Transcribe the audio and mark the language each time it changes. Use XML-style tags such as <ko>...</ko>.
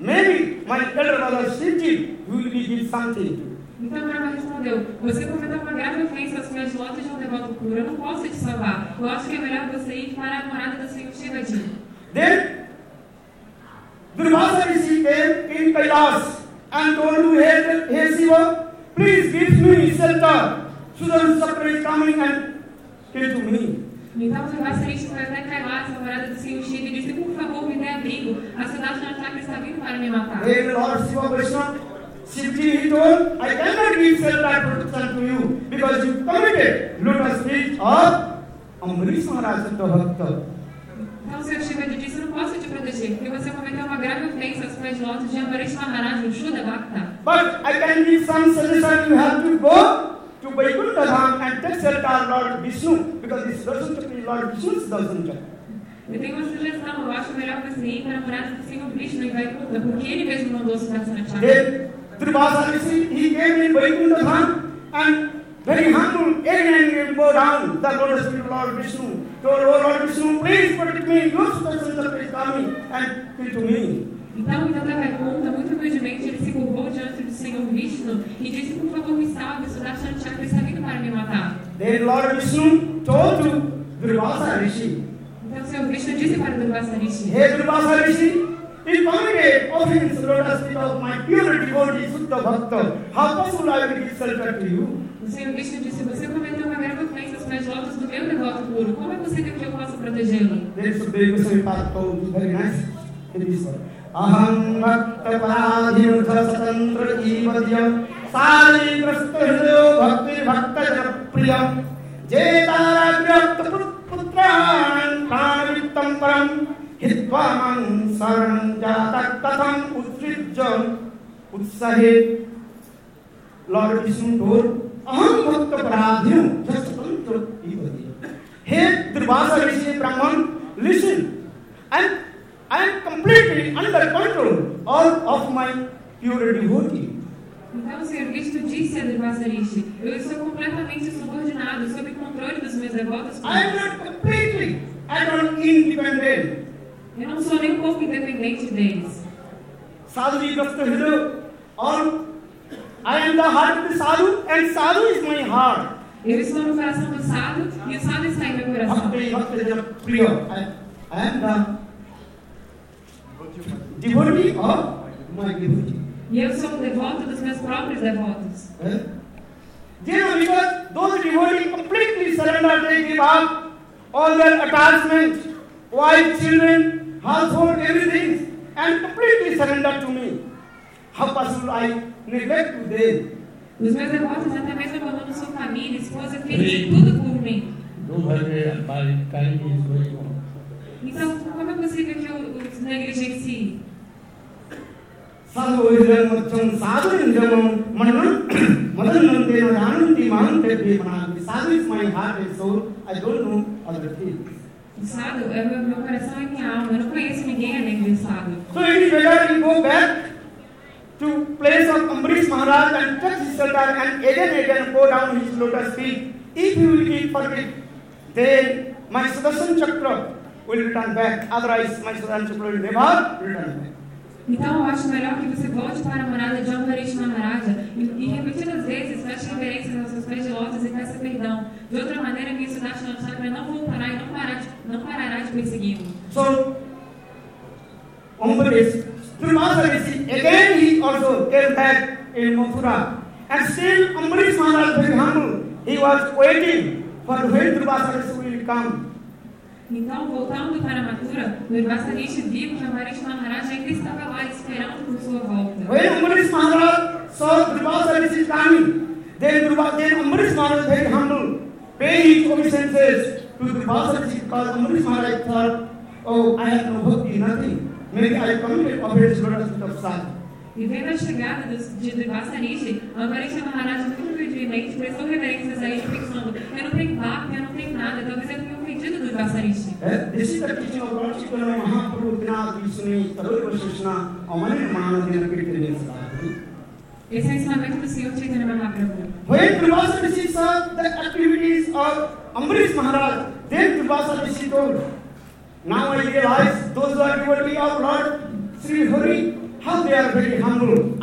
<en>Maybe my elder brother Shivji, you will be give something to you.</en> <pt>Então o Brahma respondeu, você cometeu uma grave ofensa aos meus lotes de um devoto puro, eu não posso te salvar. Eu acho que é melhor você ir para a morada do Senhor Shivaji.</pt> <en>Then, Dhruvasarishi came in Kailas and told to hey Shiva, please give me shelter. Sudarshan chakra is coming and kill to me.</en> <pt>Então Dhruvasarishi foi até Kailas, a morada do Senhor Shiva, e disse, por favor, me dê abrigo. A Sudarshana chakra está vindo para me matar.</pt> <en>Then, Lord Shiva Krishna, Shivji, he told, I cannot give shelter protection to you because you committed lotus feet of Amrish Maharaj Santa Bhakta.</en> <pt>Então, Sr. Shivaji disse, não posso te proteger porque você cometeu uma grave ofensa aos pés lotos de Amrish Maharaj Yudha Bhakta.</pt> <en>But I can give some suggestion, you have to go to Vaikuntha Dham and take shelter Lord Vishnu because this doesn't be Lord Vishnu's doesn't.</en> <pt>Eu tenho uma sugestão, eu acho melhor você ir para a morada do Senhor Vishnu e Vaikuntha porque ele mesmo mandou sua Sudarshana chakra.</pt> <en>Dhruvasarishi, he came in Vaikuntha Dham and very humble, arrogant, and bow down the lotus feet of Lord Vishnu. Told, oh Lord Vishnu, please protect me, your special chakra is coming and kill to me.</en> <pt>Então, então, da Vaikuntha, muito humildemente, ele se curvou diante do Senhor Vishnu e disse, por favor, me salve, Sudarshana chakra está vindo para me matar.</pt> <en>Then Lord Vishnu told to Dhruvasarishi.</en> <pt>Então, o Senhor Vishnu disse para Dhruvasarishi.</pt> <en>Hey, Dhruvasarishi. He committed offense, lotus feet of my pure devotee, Shuddha Bhakta. How possible I will give shelter to you?</en> <pt>O Senhor Vishnu disse, você cometeu uma grave ofensa aos pés lotos do meu devoto puro. Como é possível que eu possa protegê-lo?</pt> <en>Then Supreme Goswami Pada told you very nice. It is so.</en> <sa>Aham bhakta padhimutha satantra jivadhyam sali prastha hrdayo bhakti bhakta japriyam jetara vyakta putraan kanavittam param Hidvaman saran jatak tatam utrijjam utsahe.</sa> <en>Lord Vishnu told,</en> <sa>Aham bhakta paradhyam jasatantra ibadhyam.</sa> <en>He, Dhruvasa Rishi Brahman, listen. And I am completely under control all of my pure devotee.</en> <pt>Então, o Senhor Vishnu disse a Dhruvasa Rishi, eu estou completamente subordinado, sob controle dos meus devotos.</pt> <en>I am not completely, I am independent.</en> <pt>Eu não sou nem um pouco independente deles.</pt> <sa>Sadhu Vipastha Hidu.</sa> <en>Or, I am the heart of the Sadhu, and Sadhu is my heart.</en> <pt>Eu estou no coração do Sadhu, e o Sadhu está em meu coração.</pt> <en>Bhakti Priya. I am the devotee of my devotee.</en> <pt>E eu sou um devoto dos meus próprios devotos.</pt> <en>You know, because those devotees completely surrender, they give up all their attachments, wife, children, household, everything, and completely surrender to me. How possible I neglect to them?</en> <pt>Os meus devotos até mesmo abandonam sua família, esposa, filhos, tudo por mim.</pt> <en>Do Bhagavad Gita, Bhagavad Gita, Bhagavad Gita, Bhagavad Gita.</en> <pt>Então, como é possível que eu os negligencie?</pt> <sa>Sadhu Vajram Matcham Sadhu Injamam Manam Madanante Nadanante Manantepe Manantepe Manantepe.</sa> <en>Sadhu is my heart and soul. I don't know other things.</en> <pt>Sadhu, meu coração é minha alma. Eu não conheço ninguém além de Sadhu.</pt> <en>So it is better to go back to place of Amrish Maharaj and touch his sitar and again go down his lotus feet. If you will keep forget, then my Sudarshan Chakra will return back. Otherwise, my Sudarshan Chakra will never return back.</en> <pt>Então eu acho melhor que você volte para a morada de Amrish Maharaja e repetidas vezes feche reverências aos seus pés de lótus e peça perdão. De outra maneira, minha Sudarshan Chakra não voltará e não parará de perseguir.</pt> <en>So, Amrish, Srimadarishi, again he also came back in Mathura. And still Amrish Maharaj Bhagavan, he was waiting for when Srimadarishi will come.</en> <pt>Então, voltando para Mathura, Durvasarishi viu que Amrish Maharaj ainda estava lá esperando por sua volta.</pt> <en>When Amrish Maharaj saw Durvasarishi coming, then Amrish Maharaj was very humble, paying his obeisances to Durvasarishi because Amrish Maharaj thought, oh, I have no bhakti, nothing. Maybe I come to offer his lotus feet of Sadhu.</en> <pt>E vendo a chegada de Durvasarishi, Amrish Maharaj muito humildemente prestou reverências a ele, pensando: eu não tenho bhakti, eu não tenho nada, talvez eu tenha ofendido Durvasarishi.</pt> <en>This is the teaching of Lord Chaitanya Mahaprabhu,</en> <sa>Vinaya Vishnu, Tadurva Shishna, Amani Mahana, Dina Kirtanya Sadhu.</sa> <pt>Esse é o ensinamento do Senhor Chaitanya Mahaprabhu.</pt> <en>When Durvasarishi saw the activities of Amrish Maharaj, then Durvasarishi told, now I realize those who are devotees of Lord Sri Hari, how they are very humble.</en>